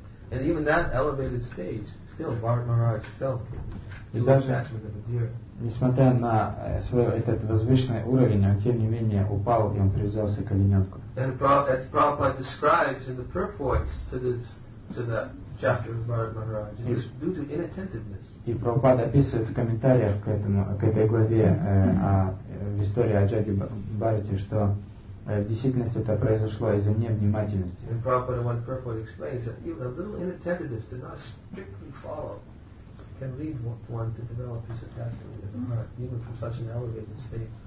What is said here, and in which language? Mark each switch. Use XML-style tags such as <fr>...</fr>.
<en>And even that elevated stage, still Bharat Maharaj felt the attachment of a deer.</en> <ru>Несмотря на свой этот возвышенный уровень, он тем не менее упал, и он привязался к оленёнку.</ru> <en>And as Prabhupada describes in the purports to that chapter of Bharat Maharaj, it was due to inattentiveness.</en> <ru>И Прабхупада описывает в комментариях к этой главе в истории о Джаги Бхарати, что в действительности это произошло из-за невнимательности.</ru> <en>And Prabhupada, when Prabhupada explains that even a little inattentiveness to not strictly follow can lead one to develop his attachment with the heart, even from such an elevated state.</en>